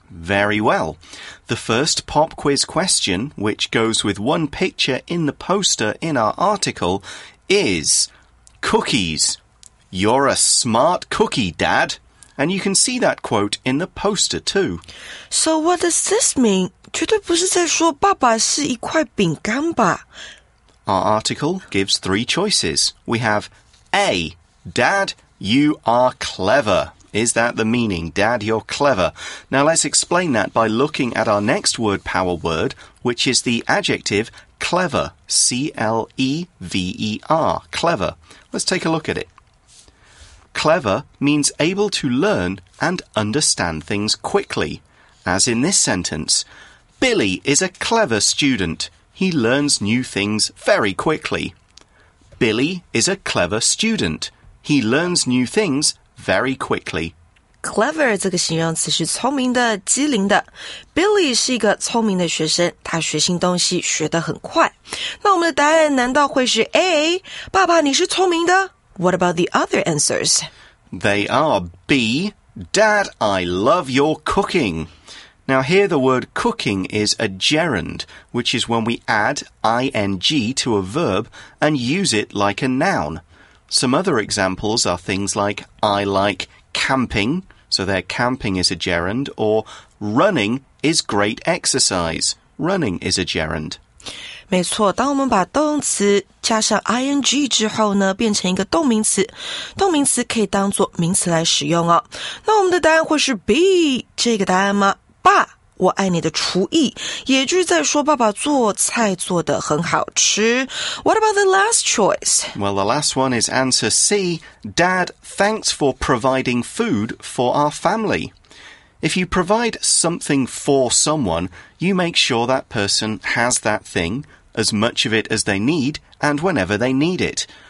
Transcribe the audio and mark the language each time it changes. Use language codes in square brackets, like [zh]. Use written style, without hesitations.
[en] Very well. The first pop quiz question, which goes with one picture in the poster in our article, is cookies. You're a smart cookie, Dad. And you can see that quote in the poster, too. So what does this mean? [zh] 绝对不是在说爸爸是一块饼干吧? [en] Our article gives three choices. We have A, Dad, you are clever. Is that the meaning? Dad, you're clever. Now let's explain that by looking at our next word power word, which is the adjective clever, C-L-E-V-E-R, clever. Let's take a look at it. Clever means able to learn and understand things quickly. As in this sentence, Billy is a clever student. He learns new things very quickly. Billy is a clever student. He learns new things very quickly. [zh] Clever 这个形容词是聪明的、机灵的。Billy 是一个聪明的学生，他学新东西学得很快。那我们的答案难道会是 A? 爸爸，你是聪明的? [en] What about the other answers? They are B, Dad, I love your cooking. Now here the word cooking is a gerund, which is when we add ing to a verb and use it like a noun. Some other examples are things like I like camping, so there camping is a gerund, or running is great exercise, running is a gerund. [zh] 没错，当我们把动词加上 ing 之后呢，变成一个动名词，动名词可以当作名词来使用哦。那我们的答案会是 B 这个答案吗？爸，我爱你的厨艺，也就是在说爸爸做菜做得很好吃。 [en] What about the last choice? Well, the last one is answer C. Dad, thanks for providing food for our family. If you provide something for someone, you make sure that person has that thing, as much of it as they need, and whenever they need it.